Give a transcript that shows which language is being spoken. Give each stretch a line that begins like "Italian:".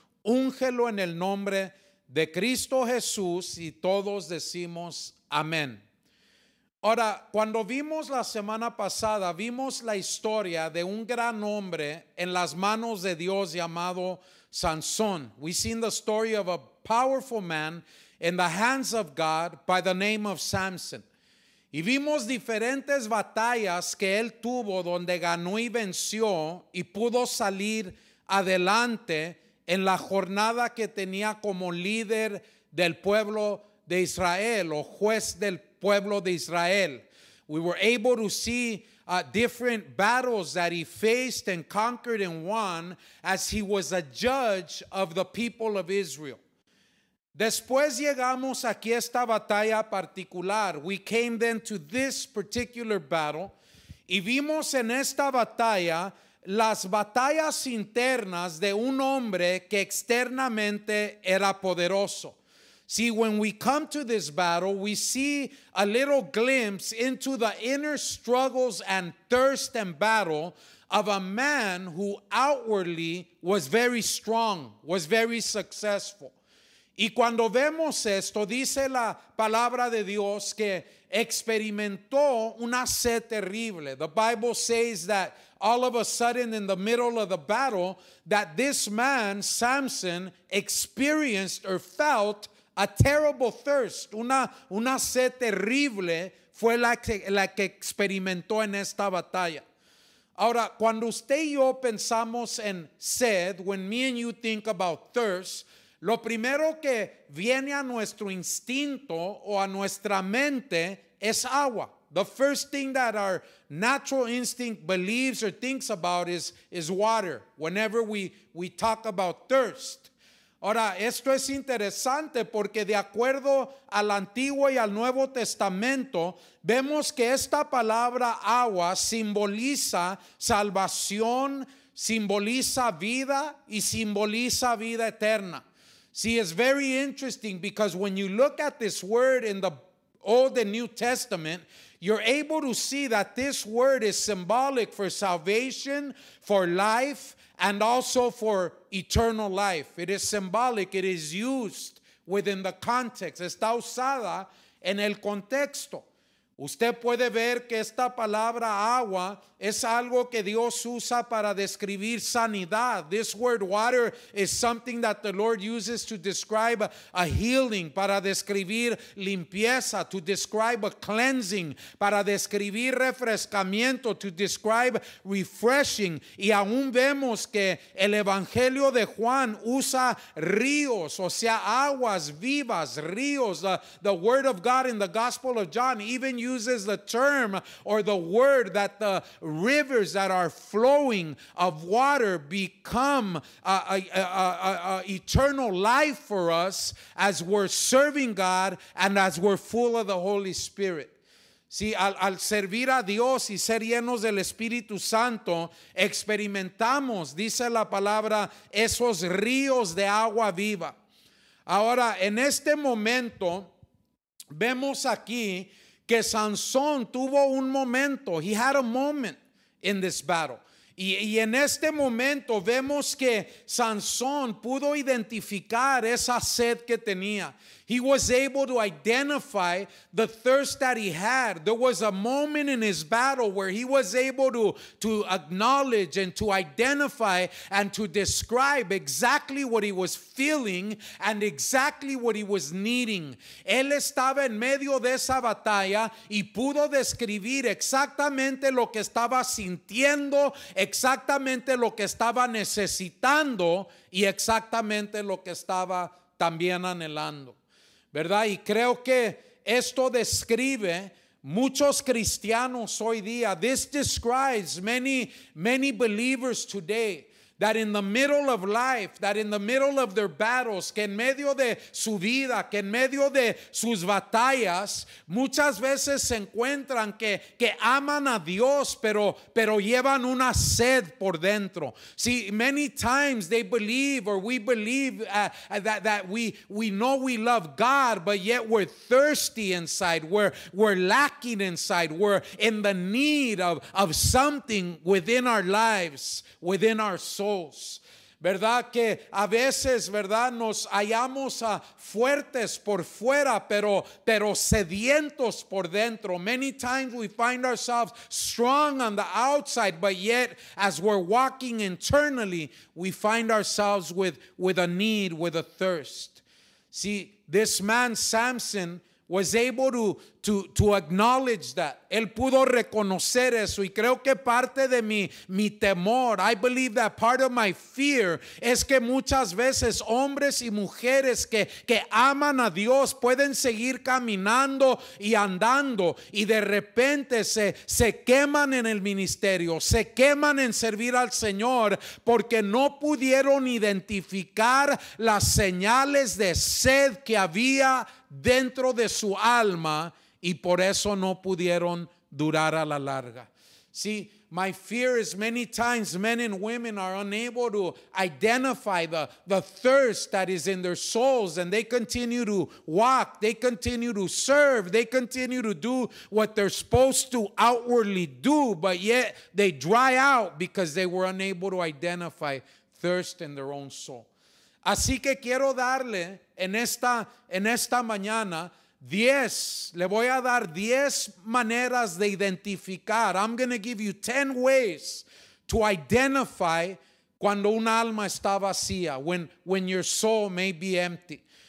Spanish: Úngelo en el nombre de Cristo Jesús y todos decimos amén. Ahora, cuando vimos la semana pasada, vimos la historia de un gran hombre en las manos de Dios llamado Sansón.
English: We seen the story of a powerful man in the hands of God by the name of Samson.
Spanish: Y vimos diferentes batallas que él tuvo donde ganó y venció y pudo salir adelante en la jornada que tenía como líder del pueblo de Israel o juez del pueblo de Israel.
English: We were able to see different battles that he faced and conquered and won as he was a judge of the people of Israel.
Spanish: Después llegamos aquí a esta batalla particular.
English: We came then to this particular battle.
Spanish: Y vimos en esta batalla las batallas internas de un hombre que externamente era poderoso.
English: See, when we come to this battle, we see a little glimpse into the inner struggles and thirst and battle of a man who outwardly was very strong, was very successful.
Spanish: Y cuando vemos esto, dice la palabra de Dios que experimentó una sed terrible.
English: The Bible says that all of a sudden in the middle of the battle, that this man, Samson, experienced or felt a terrible thirst.
Spanish: Una sed terrible fue la que experimentó en esta batalla. Ahora, cuando usted y yo pensamos en sed,
English: when me and you think about thirst,
Spanish: lo primero que viene a nuestro instinto o a nuestra mente es agua.
English: The first thing that our natural instinct believes or thinks about is water. Whenever we talk about thirst.
Spanish: Ahora, esto es interesante porque de acuerdo al Antiguo y al Nuevo Testamento, vemos que esta palabra agua simboliza salvación, simboliza vida eterna.
English: See, it's very interesting because when you look at this word in the Old and New Testament, you're able to see that this word is symbolic for salvation, for life, and also for eternal life. It is symbolic. It is used within the context.
Spanish: Está usada en el contexto. Usted puede ver que esta palabra agua es algo que Dios usa para describir sanidad.
English: This word water is something that the Lord uses to describe a healing,
Spanish: para describir limpieza,
English: to describe a cleansing,
Spanish: para describir refrescamiento,
English: to describe refreshing.
Spanish: Y aún vemos que el Evangelio de Juan usa ríos, o sea, aguas vivas, ríos.
English: The word of God in the Gospel of John even uses the term or the word that the rivers that are flowing of water become eternal life for us as we're serving God and as we're full of the Holy Spirit.
Spanish: Sí, al servir a Dios y ser llenos del Espíritu Santo, experimentamos, dice la palabra, esos ríos de agua viva. Ahora, en este momento, vemos aquí que Sansón tuvo un momento,
English: he had a moment in this battle.
Spanish: Y en este momento vemos que Sansón pudo identificar esa sed que tenía.
English: He was able to identify the thirst that he had. There was a moment in his battle where he was able to acknowledge and to identify and to describe exactly what he was feeling and exactly what he was needing.
Spanish: Él estaba en medio de esa batalla y pudo describir exactamente lo que estaba sintiendo, exactamente lo que estaba necesitando y exactamente lo que estaba también anhelando. ¿Verdad? Y creo que esto describe muchos cristianos hoy día.
English: This describes many, many believers today. That in the middle of life, that in the middle of their battles,
Spanish: que en medio de su vida, que en medio de sus batallas, muchas veces se encuentran que aman a Dios, pero llevan una sed por dentro.
English: See, many times they believe or we believe that we know we love God, but yet we're thirsty inside, we're lacking inside, we're in the need of something within our lives, within our souls.
Spanish: ¿Verdad? Que a veces, ¿verdad? Nos hallamos fuertes por fuera, pero sedientos por dentro.
English: Many times we find ourselves strong on the outside, but yet as we're walking internally, we find ourselves with a need, with a thirst. See, this man, Samson, was able to acknowledge that.
Spanish: Él pudo reconocer eso. Y creo que parte de mi temor,
English: I believe that part of my fear,
Spanish: es que muchas veces hombres y mujeres que aman a Dios pueden seguir caminando y andando y de repente se queman en el ministerio, se queman en servir al Señor porque no pudieron identificar las señales de sed que había dentro de su alma y por eso no pudieron durar a la larga.
English: See, my fear is many times men and women are unable to identify the thirst that is in their souls and they continue to walk, they continue to serve, they continue to do what they're supposed to outwardly do, but yet they dry out because they were unable to identify thirst in their own soul.
Spanish: Así que quiero darle en esta mañana 10, le voy a dar 10 maneras de identificar.
English: I'm going to give you 10 ways to identify
Spanish: cuando un alma está vacía,
English: when your soul may be empty.